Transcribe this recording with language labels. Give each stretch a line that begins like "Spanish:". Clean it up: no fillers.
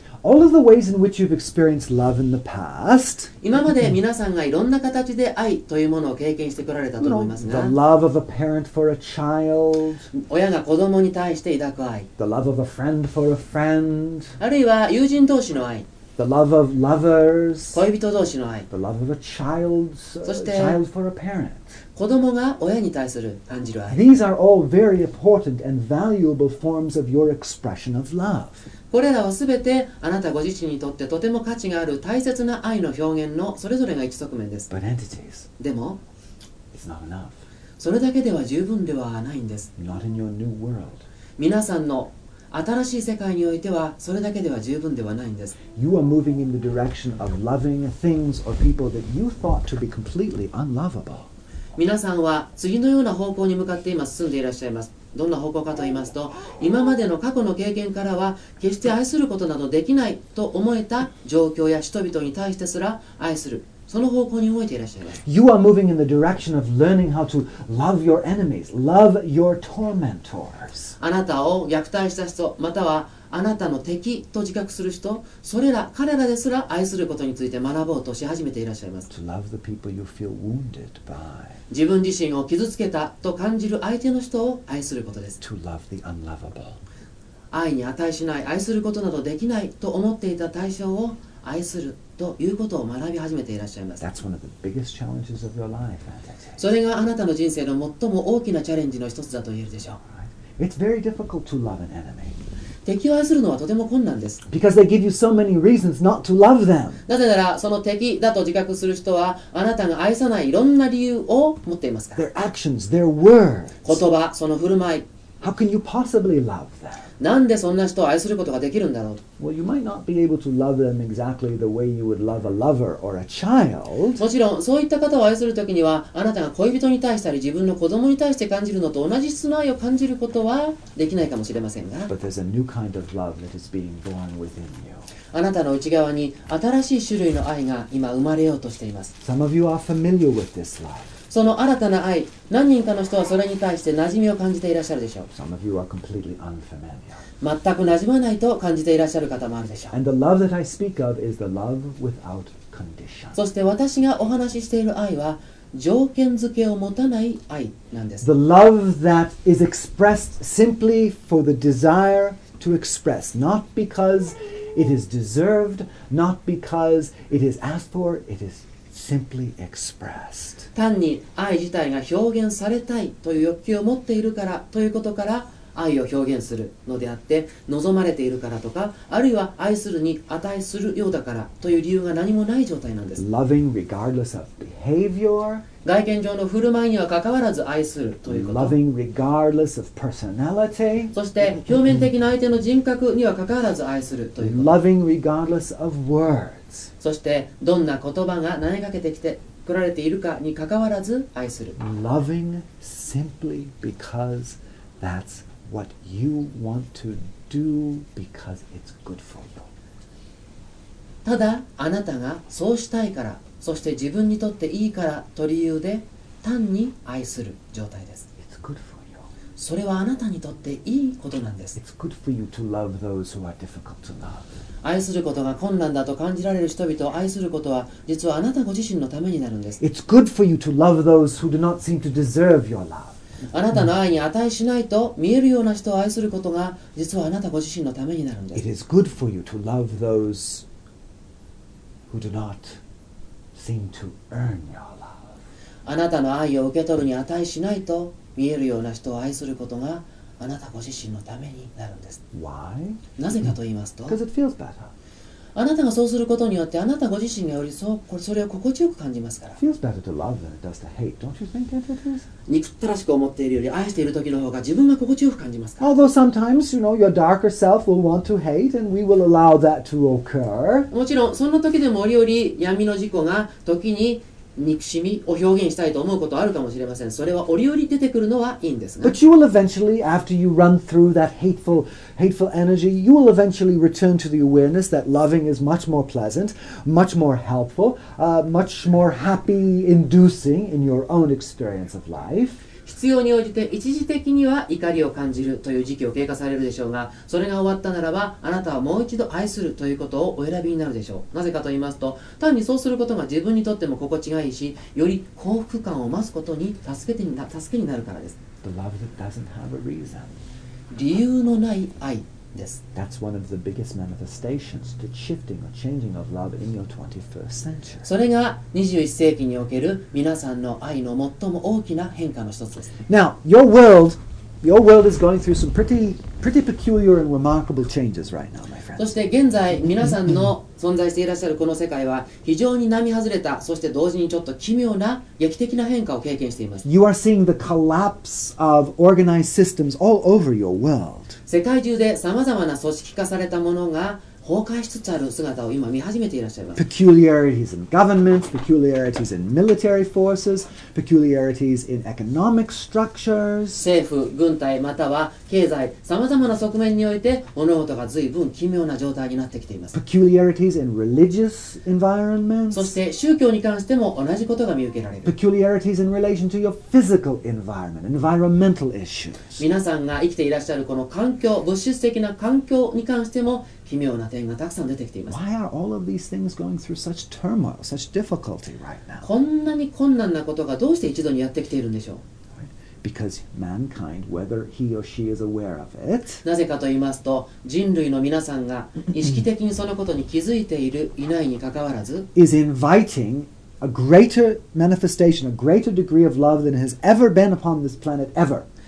English: All of the ways in which you've experienced love in the past,
Japanese: 今まで皆さんがいろんな形で愛というものを経験してこられたと思いますが、
English: the love of a parent for a child,
Japanese: 親が子供に対して抱く愛、
English: the love of a friend for a friend,
Japanese: あるいは友人同士の愛、
English: the love of lovers,
Japanese: 恋人同士の愛、
English: the love of a child's,
Japanese: そして
English: child for a parent.
Japanese: 子供が親に対する感じる愛。
English: These are all very important and valuable forms of your expression of love.
Japanese: これらはすべてあなたご自身にとってとても価値がある大切な愛の表現のそれぞれが一側面です。
English: But entities.
Japanese: でも、
English: it's not enough.
Japanese: それだけでは十分ではないんです。
English: Not in your new world.
Japanese: 皆さんの新しい世界においてはそれだけでは十分ではないんです。
English: You are moving in the direction of loving things or people that you thought to be completely unlovable.
Japanese: 皆さんは次のような方向に向かって今進んでいらっしゃいます。どんな方向かと言いますと、今までの過去の経験からは決して愛することなどできないと思えた状況や人々に対してすら愛する、その方向に動いていらっしゃいます。
English: You are moving in the direction of learning how to love your enemies, love your tormentors.
Japanese: あなたを虐待した人、またはあなたの敵と自覚する人、それら彼らですら愛することについて学ぼうとし始めていらっしゃいます。
English: To love the people you feel wounded by.
Japanese: 自分自身を傷つけたと感じる相手の人を愛することです。
English: To love the unlovable.
Japanese: 愛に値しない、愛することなどできないと思っていた対象を愛するということを学び始めていらっしゃいます。
English: That's one of the biggest challenges of your life.
Japanese: それがあなたの人生の最も大きなチャレンジの一つだと言えるでしょう。
English: It's very difficult to love an enemy.
Japanese: 敵を愛するのはとても困難です。
English: Because they give you so many reasons not to love them.
Japanese: なぜならその敵だと自覚する人はあなたが愛さないいろんな理由を持っていますから。
English: Their actions, their words.
Japanese: 言葉、その振る舞い。
English: How can you possibly love them?
Japanese: なんでそんな人を愛することができるんだろう。
English: Well, you might not be able to love them exactly the way you would love a lover or a child.
Japanese: もちろんそういった方を愛するときにはあなたが恋人に対したり自分の子供に対して感じるのと同じ質の愛を感じることはできないかもしれませんが。
English: But there's a new kind of love that is being born within you.
Japanese: あなたの内側に新しい種類の愛が今生まれようとしています。
English: Some of you are familiar with this love.
Japanese: その新たな愛、何人かの人はそれに対して馴染みを感じていらっしゃるでしょう。
English: Some of you are completely unfamiliar.
Japanese: 全く馴染まないと感じていらっしゃる方もあるでしょう。
English: And the love that I speak of is the love without condition.
Japanese: そして私がお話ししている愛は条件付けを持たない愛なんです。
English: The love that is expressed simply for the desire to express, not because it is deserved, not because it is asked for, it is simply expressed.
Japanese: 単に愛自体が表現されたいという欲求を持っているからということから愛を表現するのであって、望まれているからとか、あるいは愛するに値するようだからという理由が何もない状態なんです。
English: Loving regardless of behavior,
Japanese: 外見上の振る舞いには関わらず愛するということ、
English: Loving regardless of personality,
Japanese: そして表面的な相手の人格には関わらず愛するということ、
English: Loving regardless of words,
Japanese: そしてどんな言葉が投げかけてきて来られているかに関わらず愛する。
English: Loving simply because That's what you want to do because it's good for you.
Japanese: ただあなたがそうしたいから、そして自分にとっていいからという理由で単に愛する状態です。
English: It's good for you.
Japanese: それはあなたにとっていいことなんです。
English: It's good for you to love those who are difficult to love.
Japanese: 愛することが困難だと感じられる人々を愛することは、実はあなたご自身のためになるんです。
English: It's good for you to love those who do not seem to deserve your love.
Japanese: あなたの愛に値しないと見えるような人を愛することが、実はあなたご自身のためになるんです。
English: It is good for you to love those who do not seem to earn your love.
Japanese: あなたの愛を受け取るに値しないと、見えるような人を愛することがあなたご自身のためになるんです。
English: Why?
Japanese: なぜかと言いますと、
English: Because it feels better.
Japanese: あなたがそうすることによってあなたご自身がよりそれを心地よく感じますから。
English: Feels better to love than it does to hate, don't you think that it is?
Japanese: 憎ったらしく思っているより愛している時の方が自分が心地よく感じますから。
English: Although sometimes, you know, your darker self will want to hate, and we will allow that to occur.
Japanese: もちろんそんな時でも折々闇の事故が時に。憎しみを表現したいと思うことあるかもしれません。それは折々出てくるのはいいんですが。
English: But you will eventually, after you run through that hateful energy, you will eventually return to the awareness that loving is much more pleasant, much more helpful, much more happy inducing in your own experience of life.
Japanese: 必要に応じて一時的には怒りを感じるという時期を経過されるでしょうが、それが終わったならば、あなたはもう一度愛するということをお選びになるでしょう。なぜかと言いますと、単にそうすることが自分にとっても心地がいいし、より幸福感を増すことに助けになるからです。
English: The love that doesn't have a reason.
Japanese: 理由のない愛です。
English: That's one of the biggest manifestations to shifting or changing of love in your 21st century.
Japanese: それが21世紀における皆さんの愛の最も大きな変化の一つです。
English: Now, your world is going through some pretty peculiar and remarkable changes right now, my friend.
Japanese: そして現在皆さんの存在していらっしゃるこの世界は非常に並外れた、そして同時にちょっと奇妙な劇的な変化を経験しています。
English: You are seeing the collapse of organized systems all over your world.
Japanese: 世界中で様々な組織化されたものが崩壊しつつある姿を今見始めていらっしゃいます。
English: Peculiarities in government, peculiarities in military forces, peculiarities in economic structures.
Japanese: 政府、軍隊、または経済、様々な側面において物事が随分奇妙な状態になってきています。
English: Peculiarities in religious environments.
Japanese: そして宗教に関しても同じことが見受けられる。
English: Peculiarities in relation to your physical environment, environmental issues.
Japanese: 皆さんが生きていらっしゃるこの環境、物質的な環境に関しても奇妙な点がたくさん出てきています。
English: Why are all of these things going through such turmoil, such difficulty right now?
Japanese: こんなに困難なことがどうして一度にやってきているんでしょう。
English: Because mankind, whether he or she is aware of it,
Japanese: なぜかと言いますと、人類の皆さんが意識的にそのことに気づいているいないにかかわらず、
English: is inviting a greater manifestation, a greater degree of love than has ever been upon this planet ever.